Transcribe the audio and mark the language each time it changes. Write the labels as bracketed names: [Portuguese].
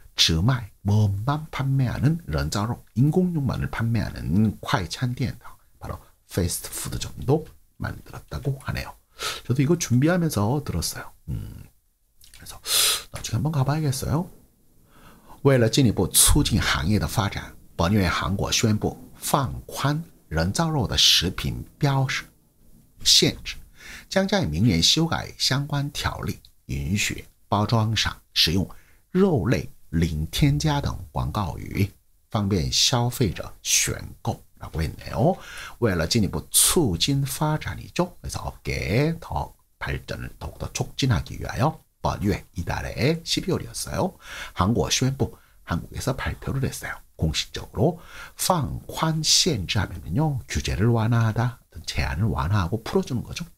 [Korean] 즈마이, 멋만 판매하는 런자로 인공육만을 판매하는 콰이찬디엔더, 바로 패스트푸드 정도 만들었다고 하네요. 저도 이거 준비하면서 들었어요. 그래서 나중에 한번 가봐야겠어요. [Chinese] 为了进一步促进行业的发展, 本月韩国宣布放宽人造肉的食品标识限制, 将在明年修改相关条例允许包装上使用肉类零添加等广告语方便消费者选购 [Korean] 라고 했네요. [Chinese] 为了进一步促进发展이죠. [Korean] 그래서 업계의 더 발전을 더욱더 촉진하기 위하여 本月 이달에 12월이었어요. 한국宣布 한국에서 발표를 했어요. 공식적으로 [Chinese] 放宽限制 [Korean] 하면요, 규제를 완화하다, 제한을 완화하고 풀어주는 거죠.